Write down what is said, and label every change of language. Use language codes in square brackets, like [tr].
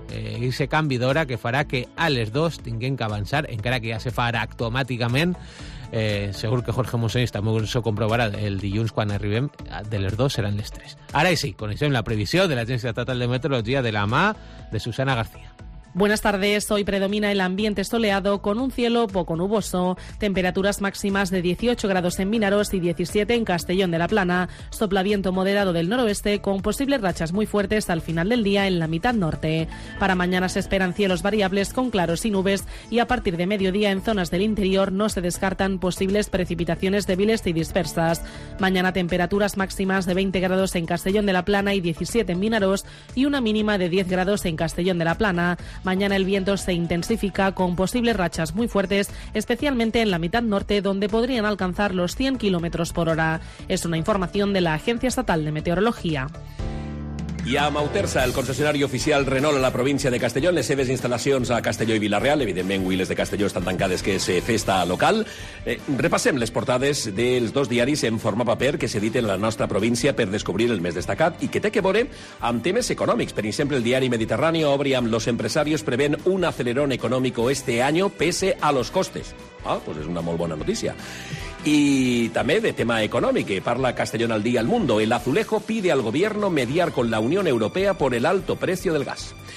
[ca] Aquest canvi d'hora que farà que a les 2 tinguem que avançar, encara que ja se farà automàticament. Segur que Jorge Monsonis també ho comprovarà el dilluns quan arribem, de les 2 seran les 3. Ara sí, coneixem la previsió de l'Agència Estatal de Meteorologia de la mà de Susana García. [es] Buenas tardes, hoy predomina el ambiente soleado con un cielo poco nuboso, temperaturas máximas de 18 grados en Vinaròs y 17 en Castellón de la Plana, sopla viento moderado del noroeste con posibles rachas muy fuertes al final del día en la mitad norte. Para mañana se esperan cielos variables con claros y nubes y a partir de mediodía en zonas del interior no se descartan posibles precipitaciones débiles y dispersas. Mañana temperaturas máximas de 20 grados en Castellón de la Plana y 17 en Vinaròs y una mínima de 10 grados en Castellón de la Plana. Mañana el viento se intensifica con posibles rachas muy fuertes, especialmente en la mitad norte, donde podrían alcanzar los 100 kilómetros por hora. Es una información de la Agencia Estatal de Meteorología. [ca] I a Mautersa, el concessionari oficial Renault a la província de Castelló, les seves instal·lacions a Castelló i Vila-real, evidentment, avui les de Castelló estan tancades, que és festa local. Repassem les portades dels dos diaris en forma paper que s'editen a la nostra província per descobrir el més destacat i que té que veure amb temes econòmics. Per exemple, el diari Mediterrani obre amb [es] los empresarios prevén un acelerón económico este año pese a los costes. [ca] Ah, pues es una molt bona notícia. Y també de tema econòmic, parla Castellón al día al mundo. [es] El azulejo pide al gobierno mediar con la Unión Europea por el alto precio del gas.